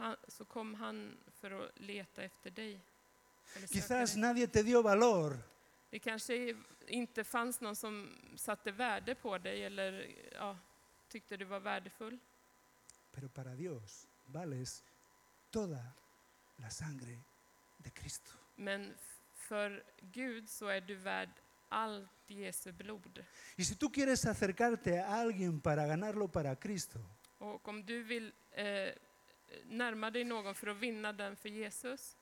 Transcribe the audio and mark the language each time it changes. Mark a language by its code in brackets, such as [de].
[sv] Så kom han för att leta efter dig. [es] Quizás nadie te dio valor. [sv] Det kanske inte fanns någon som satte värde på dig eller ja, tyckte du var värdefull. [es] Pero para Dios vales toda la sangre de Cristo. [sv] Men för Gud så är du värd allt Jesu blod. [es] Y si tú quieres acercarte a alguien para ganarlo para Cristo. [sv] Och om du vill närma dig någon för att vinna den för Jesus.